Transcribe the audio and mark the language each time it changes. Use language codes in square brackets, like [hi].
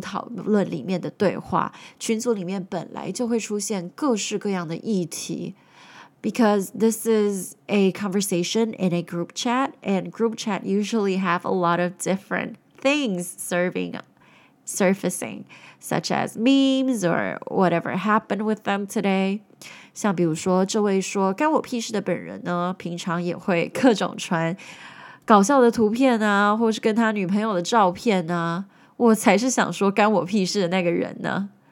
[zh] 因为毕竟这是一个在群组讨论里面的对话, 群组里面本来就会出现各式各样的议题。 [en] Because this is a conversation in a group chat, and group chat usually have a lot of different things surfacing, such as memes or whatever happened with them today. [zh] 像比如说这位说干我屁事的本人呢，平常也会各种传搞笑的图片啊，或是跟他女朋友的照片啊。我才是想说干我屁事的那个人呢。